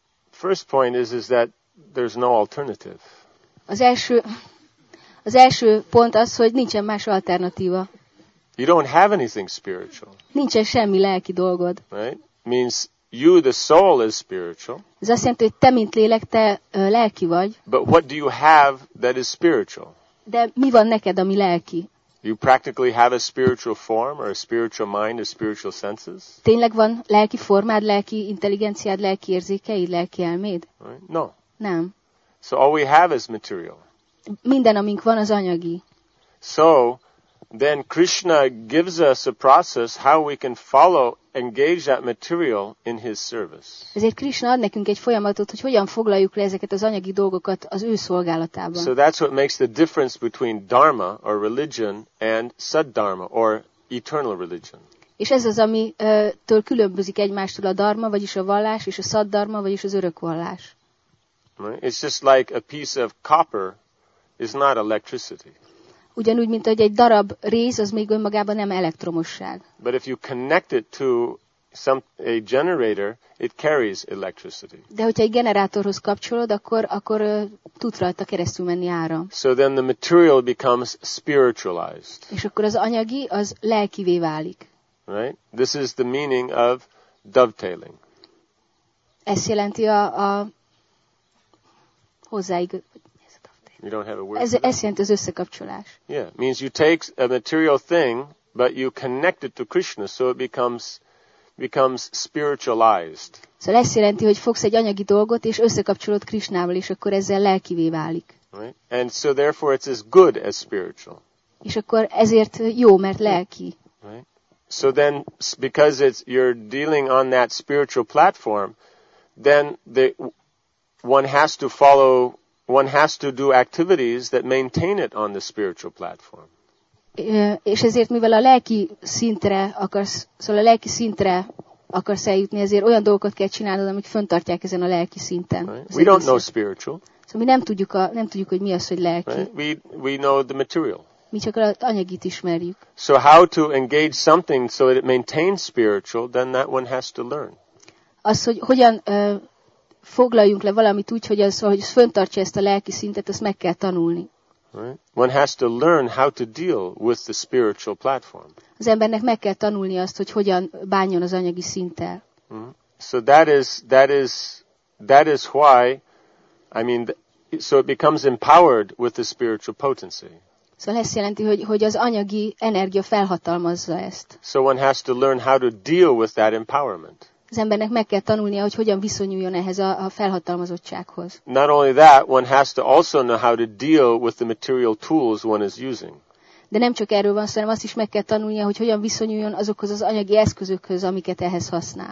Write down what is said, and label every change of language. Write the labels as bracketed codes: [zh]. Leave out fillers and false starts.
[en] First point is that there's no alternative. [hu] Az első pont az, hogy nincsen más alternatíva. [en] You don't have anything spiritual. [hu] Nincsen semmi lelki dolgod. [en] Right? Means you, the soul, is spiritual. [hu] Ez azt jelenti, hogy te, mint lélek, te lelki vagy. [en] But what do you have that is spiritual? [hu] De mi van neked, ami lelki? [en] You practically have a spiritual form, or a spiritual mind, or spiritual senses? [hu] Tényleg van lelki formád, lelki intelligenciád, lelki érzékeid, lelki elméd? [en] Right? No. [hu] Nem. [en] So all we have is material. [hu] Minden, amink van, az anyagi. [en] So then Krishna gives us a process how we can follow, engage that material in his service. [hu] Ezért Krishna ad nekünk egy folyamatot, hogy hogyan foglaljuk le ezeket az anyagi dolgokat az ő szolgálatában. [en] So that's what makes the difference between dharma or religion and sadharma or eternal religion. [hu] És ez az, ami től különbözik egymástól a dharma, vagyis a vallás, és a sadharma, vagyis az örök vallás. [en] It's just like a piece of copper is not electricity. [hu] Ugyanúgy, mint hogy egy darab rész, az még önmagában nem elektromosság. [en] But if you connect it to a generator, it carries electricity. [hu] De hogyha egy generátorhoz kapcsolod, akkor tud rajta keresztül menni áram. [en] So then the material becomes spiritualized. [hu] És akkor az anyagi, az lelkivé válik. [en] Right? This is the meaning of dovetailing. [hu] Ez jelenti a hozzáig. [en] You don't have a word. [hu] Ez jelent az összekapcsolás. [en] Yeah, means you take a material thing, but you connect it to Krishna, so it becomes spiritualized. [hu] Szóval ez jelenti, hogy fogsz egy anyagi dolgot és összekapcsolod Krishnával, és akkor ezzel lelkivé válik. [en] Right? And so therefore it's as good as spiritual. [hu] És akkor ezért jó, mert lelki. [en] Right? So then, because it's you're dealing on that spiritual platform, then one has to follow. One has to do activities that maintain it on the spiritual platform. [hu] És ezért, mivel a lelki szintre akarsz, szóval a lelki szintre akarsz eljutni, ezért olyan dolgokat kell csinálnod, amik fönntartják ezen a lelki szinten. [en] Right. We don't know spiritual. [hu] Szóval mi nem tudjuk, hogy mi az, hogy lelki. [en] Right. We know the material. [hu] Mi csak az anyagit ismerjük. [en] So how to engage something so that it maintains spiritual, then that one has to learn. [hu] Az, hogy hogyan foglaljunk le valamit úgy, hogy az fönntartja ezt a lelki szintet, azt meg kell tanulni. [en] Right. One has to learn how to deal with the spiritual platform. [hu] Az embernek meg kell tanulni azt, hogy hogyan bánjon az anyagi szinttel. Mm-hmm. [en] So that is why, I mean, so it becomes empowered with the spiritual potency. [hu] Szóval ez jelenti, hogy az anyagi energia felhatalmazza ezt. [en] So one has to learn how to deal with that empowerment. [hu] az embernek meg kell tanulnia, hogy hogyan viszonyuljon ehhez a felhatalmazottsághoz. [en] Not only that, one has to also know how to deal with the material tools one is using. [hu] De nem csak erről van szó, hanem azt is meg kell tanulnia, hogy hogyan viszonyuljon azokhoz az anyagi eszközökhöz, amiket ehhez használ.